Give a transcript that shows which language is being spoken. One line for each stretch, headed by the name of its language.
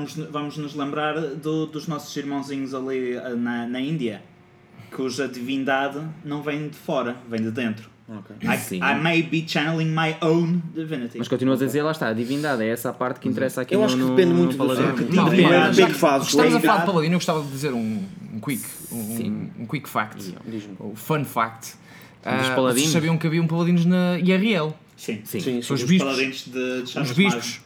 Portuguese: Vamos nos lembrar dos nossos irmãozinhos ali na Índia, cuja divindade não vem de fora, vem de dentro. Okay.
English: I may be channeling my own divinity.
Portuguese: Mas continuas a dizer, lá está, a divindade é essa parte que interessa aqui. Eu acho que depende muito do paladino. Estamos a falar de paladino, eu gostava de dizer um
English: quick fact.
Portuguese: Diz-me. Um
English: fun fact.
Portuguese: Vocês sabiam que havia um paladino na IRL? Sim, os bispos.